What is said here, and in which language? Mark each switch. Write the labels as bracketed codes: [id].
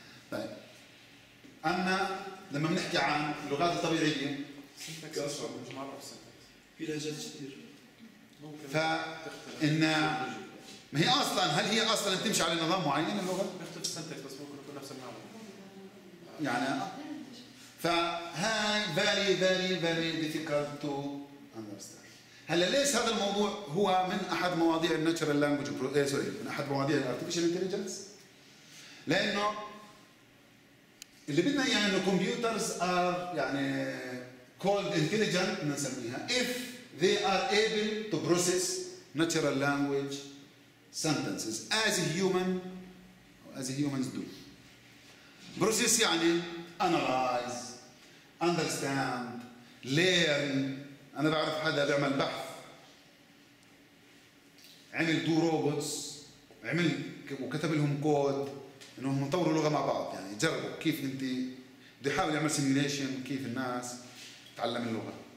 [ar] طيب اما لما بنحكي عن اللغات الطبيعيه سنتكس اصعب مش معرف سنتكس في لهجات كثير ممكن ما هي اصلا هل هي اصلا تمشي على نظام معين اللغه بيختلف السنتكس بس ممكن تكون نفس المعنى يعني فهاي [en] very very very difficult to understand. [ar] هلا ليش هذا الموضوع هو من احد مواضيع الناتشرال لانجويج سوري من احد مواضيع الارتفيشال انتليجنس؟ لانه اللي بدنا اياه انه كمبيوترز ار يعني كولد انتليجنت بنسميها اف [en] they are able to process natural language sentences as a human as humans do. Process [ar] يعني [en] analyze, understand, learn. [ar] أنا بعرف حدا بيعمل بحث عمل two robots عمل وكتب لهم كود إنهم طوروا لغة مع بعض يعني جربوا كيف أنت بدي حاول يعمل simulation كيف الناس تعلم اللغة.